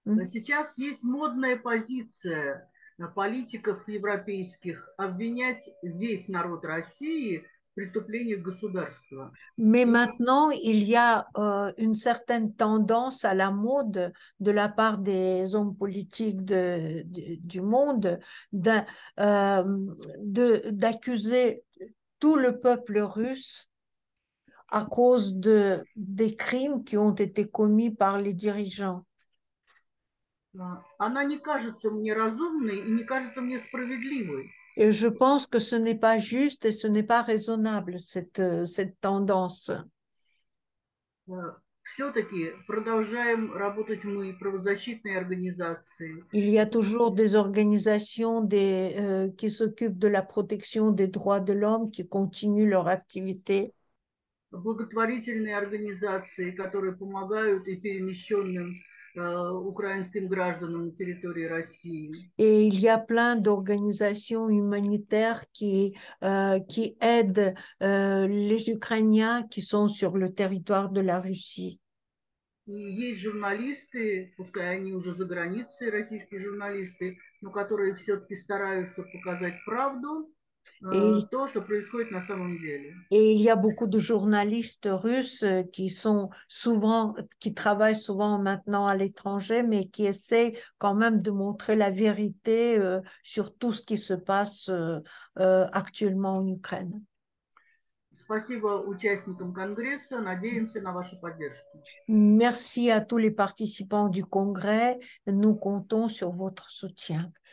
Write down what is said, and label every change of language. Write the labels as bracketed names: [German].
[Russian] Сейчас есть модная позиция политиков европейских обвинять весь народ России в преступлений государства. [French] Mais maintenant, il y a une certaine tendance à la mode de la part des hommes politiques du monde d'accuser tout le peuple russe à cause des crimes qui ont été commis par les dirigeants. [Russian] Она не кажется мне разумной и не кажется мне справедливой. [French] Et je pense que ce n'est pas juste et ce n'est pas raisonnable, cette tendance. [Russian] Все-таки продолжаем работать мы, правозащитные организации. [French] Il y a toujours des organisations qui s'occupent de la protection des droits de l'homme, qui continuent leur activité. [Russian] Благотворительные организации, которые помогают и перемещенным украинским гражданам на территории России. [French] Et il y a plein d'organisations humanitaires qui aident les Ukrainiens qui sont sur le territoire de la Russie. [Russian] Есть журналисты, пускай они уже за границей, российские журналисты, но которые все-таки стараются показать правду, то, что происходит на самом деле. [French] Et il y a beaucoup de journalistes russes qui travaillent souvent maintenant à l'étranger, mais qui essaient quand même de montrer la vérité sur tout ce qui se passe actuellement en Ukraine. [Russian] Спасибо участникам конгресса. Надеемся на вашу поддержку. [French] Merci à tous les participants du congrès. Nous comptons sur votre soutien.